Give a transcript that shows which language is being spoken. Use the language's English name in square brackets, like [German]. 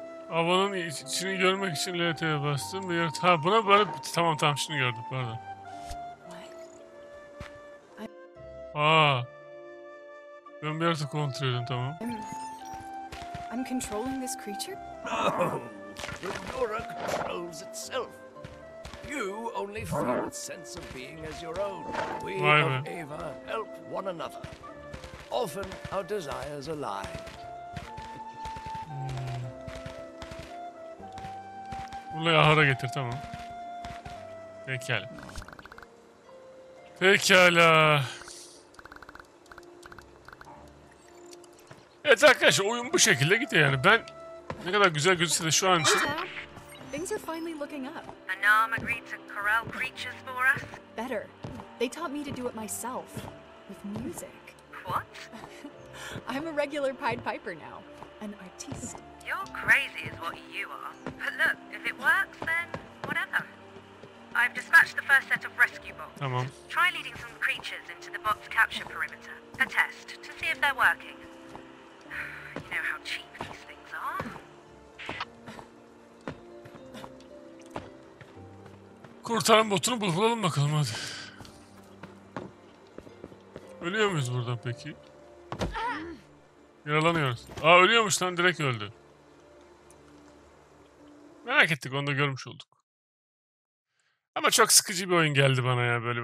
[Turkish] Avanın içini görmek için LT'ye bastım. Ha buna böyle... Tamam tamam şunu gördüm, pardon. Aaa. Ben bir yaratı kontrol edeyim, tamam. [English] I'm controlling this creature? No! Lunora controls itself. You only feel its sense of being as your own. We of Ava help one another. Often our desires align. [Turkish] Bunu ahara getir, tamam. Pekala. Pekala. Evet arkadaşlar, oyun bu şekilde gidiyor yani. Ben ne kadar güzel gözükse de şu an için... [English] Things are finally looking up. A gnome agreed to corral creatures for us? Better. They taught me to do it myself. With music. What? I'm a regular Pied Piper now. An artiste. You're crazy is what you are. But look, if it works, then whatever. I've dispatched the first set of rescue bots. [Turkish] Tamam. [English] Try leading some creatures into the bot's capture perimeter. A test, to see if they're working. You know how cheap these things are. [Turkish] Kurtaran botunu bulalım bakalım hadi. Ölüyor muyuz burada peki? Yaralanıyoruz. Aa ölüyormuş lan, direkt öldü. Merak ettik, onu da görmüş olduk. Ama çok sıkıcı bir oyun geldi bana ya böyle.